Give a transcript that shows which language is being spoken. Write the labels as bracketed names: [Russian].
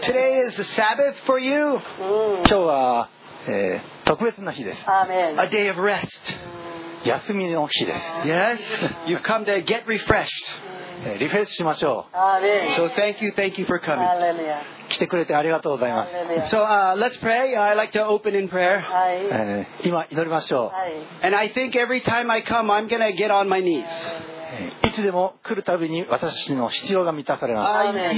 [English] Yeah. Today is the Sabbath for you. [Japanese] 今日は、特別な日です。 [English] Amen. A day of rest. [Japanese] 休みの日です。 [English] Yes. You've come to get refreshed. [Japanese] リフレッシュしましょう。 [English] Amen. So thank you for coming. Hallelujah. [Japanese] 来てくれてありがとうございます。 [English] So, let's pray. I like to open in prayer. [Japanese] 今祈りましょう。 [English] And I think every time I come, I'm gonna get on my knees. [Japanese] いつでも来るたびに私の必要が満たされます。